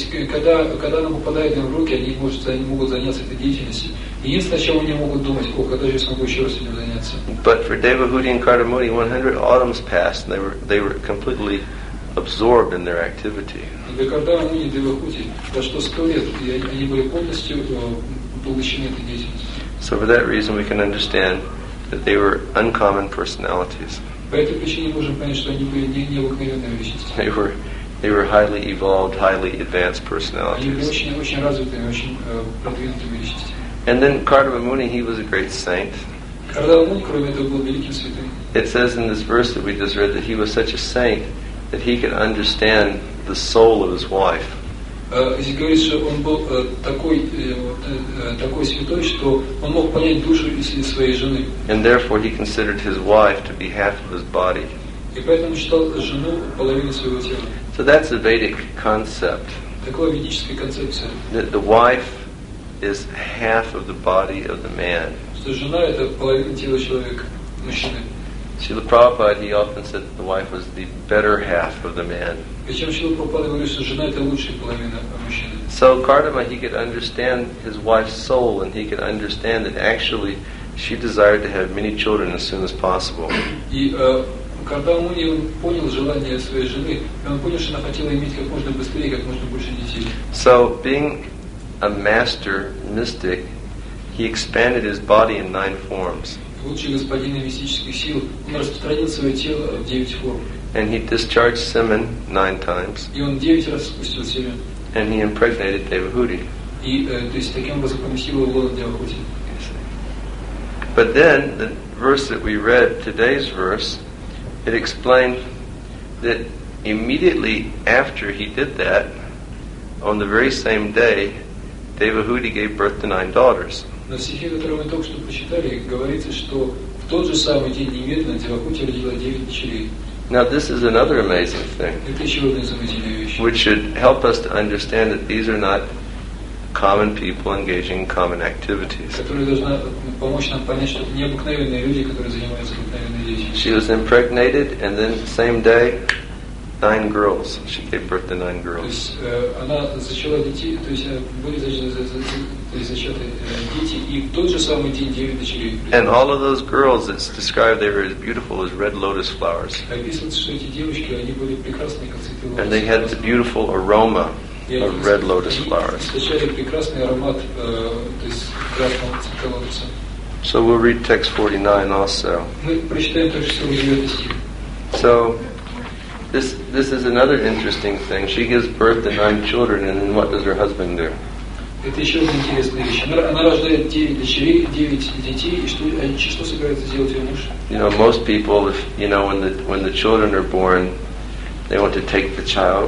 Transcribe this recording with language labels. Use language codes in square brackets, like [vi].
[ru] Когда оно попадает им в руки, они могут заняться этой деятельностью. Единственное, о чем они могут думать, о, когда же я смогу еще раз этим заняться. [en] But for Devahuti and Kardava Muni, 100 autumns passed, and they were completely absorbed in their activity. [ru] Для Кардава Муни и Девахути прошло 100 лет, и они были полностью поглощены этой деятельностью. [en] So for that reason, we can understand that they were uncommon personalities. [ru] По этой причине можем понять, что они были необыкновенные личности. [en] They were highly evolved, highly advanced personalities. [ru] Они были очень развитые, очень продвинутые личности. [en] And then Kardava Muni, he was a great saint. [ru] Kardava Muni, кроме этого, был великим святым. [en] It says in this verse that we just read that he was such a saint that he could understand the soul of his wife. [ru] Здесь говорится, что он был такой святой, что он мог понять душу своей жены. [en] And therefore he considered his wife to be half of his body. [ru] И поэтому считал жену половиной своего тела. [en] So that's a Vedic concept. [ru] Такая ведическая концепция. [en] That the wife is half of the body of the man. Srila Prabhupada, he often said that the wife was the better half of the man. So Kardava, he could understand his wife's soul, and he could understand that actually she desired to have many children as soon as possible. [ru] Когда он понял желание своей жены, он понял, что она хотела иметь как можно быстрее, как можно больше детей. [en] So being a master mystic, he expanded his body in 9 forms. And he discharged semen 9 times. And he impregnated Devahuti. But then, the verse that we read, today's verse, it explained that immediately after he did that, on the very same day, Devahuti gave birth to 9 daughters. [ru] На стихе, который мы только что прочитали, говорится, что в тот же самый день немедленно Девахути родила 9 дочерей. [en] Now this is another amazing thing, which should help us to understand that these are not common people engaging in common activities. [ru] Которая должна помочь нам понять, что это необыкновенные люди, которые занимаются обыкновенной деятельностью. [en] She was impregnated, and then same day, 9 girls. She gave birth to 9 girls. [ru] То есть она зачала детей, то есть были зачаты дети, и в тот же самый день 9 дочерей. [en] And all of those girls, it's described they were as beautiful as red lotus flowers. [ru] Описывается, что эти девочки, они были прекрасные, как цветы лотоса. [en] And they had the beautiful aroma of red lotus flowers. [ru] Источали прекрасный аромат, то есть красного цвета лотоса. [en] So we'll read text 49 also. [ru] Мы прочитаем также 49 стих. [en] So This is another interesting thing. She gives birth to 9 children, and then what does her husband do? [ru] Это еще одна интересная вещь. Она рождает 9 дочерей, 9 детей, и что собирается сделать ее муж? [en] You know, most people, if you know, when the children are born, they want to take the child.